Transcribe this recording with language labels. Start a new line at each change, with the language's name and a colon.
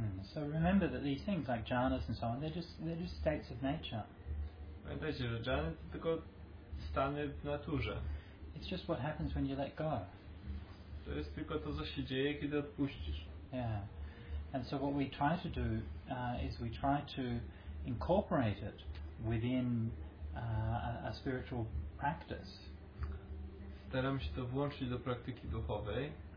English: So remember that these things like jhanas and so on, they're just states of nature.
Polish: Pamiętajcie, że jhany to tylko stany w naturze.
English: It's just what happens when you let go.
Polish: To jest tylko to, co się dzieje, kiedy odpuścisz.
English: Yeah. And so what we try to do is we try to incorporate it within a spiritual practice.
Polish: Staram się to włączyć do praktyki duchowej.